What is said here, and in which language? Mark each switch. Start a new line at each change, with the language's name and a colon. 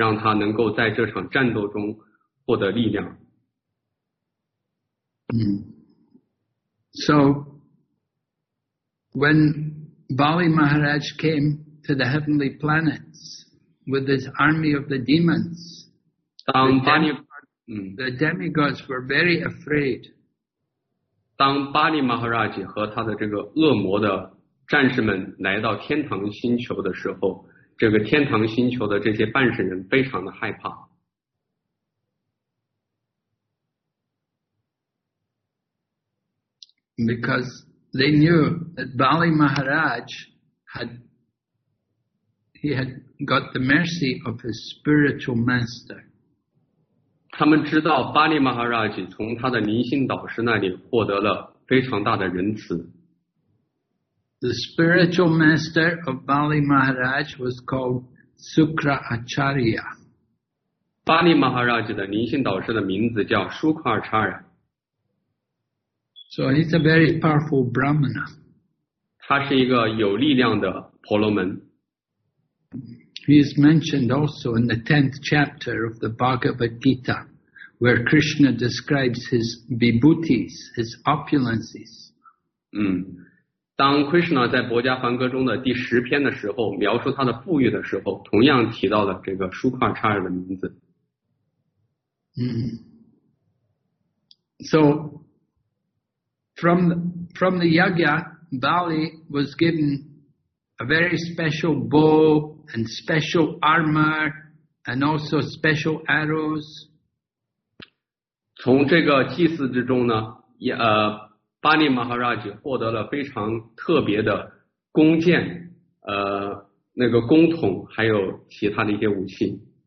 Chinese: 通过这场祭祀，他得到了一个非常有力的战车，而且还有其他的一些用品，让他能够在这场战斗中获得力量.
English: So, when Bali Maharaj came to the heavenly planets with his army of the demons, the demigods were very afraid.
Chinese: 当巴利马哈拉吉和他的这个恶魔的战士们来到天堂星球的时候，这个天堂星球的这些半神人非常的害怕。
English: Because they knew that Bali Maharaj had got the mercy of his spiritual master.
Chinese: 他们知道巴利马哈拉吉从他的灵性导师那里获得了非常大的仁慈.
English: The spiritual master of Bali Maharaj was called Sukra Acharya.
Chinese: 巴利马哈拉吉的灵性导师的名字叫舒克阿查亚.
English: So he's a very powerful Brahmana.
Chinese: 他是一个有力量的婆罗门.
English: He is mentioned also in the 10th chapter of the Bhagavad Gita, where Krishna describes his vibhutis, his opulences.
Chinese: 当 Krishna 在博迦梵歌中的第十篇的时候，描述他的富裕的时候，同样提到了这个舒克查尔的名字。
English: So, from the yagya, Bali was given a very special bow and special armor and also special arrows.
Chinese: 从这个祭祀之中呢，巴利马哈拉吉获得了非常特别的弓箭，那个弓筒，还有其他的一些武器。